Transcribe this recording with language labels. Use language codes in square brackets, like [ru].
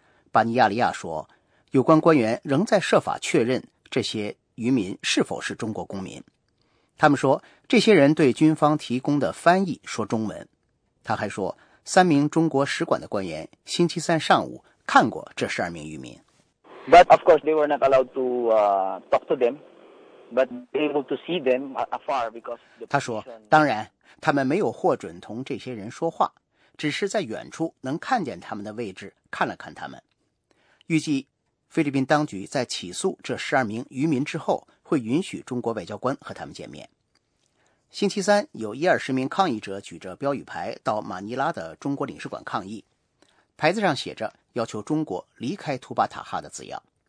[zh] 巴尼亚利亚说，有关官员仍在设法确认这些渔民是否是中国公民。他们说，这些人对军方提供的翻译说中文。他还说，3名中国使馆的官员星期三上午看过这12名渔民。 [en] But of course they were not allowed to talk to them, but able to see them afar because. [zh] 他说，当然，他们没有获准同这些人说话，只是在远处能看见他们的位置，看了看他们。预计菲律宾当局在起诉这12名渔民之后，会允许中国外交官和他们见面。星期三，有10-20名抗议者举着标语牌到马尼拉的中国领事馆抗议，牌子上写着要求中国离开图巴塔哈的字样。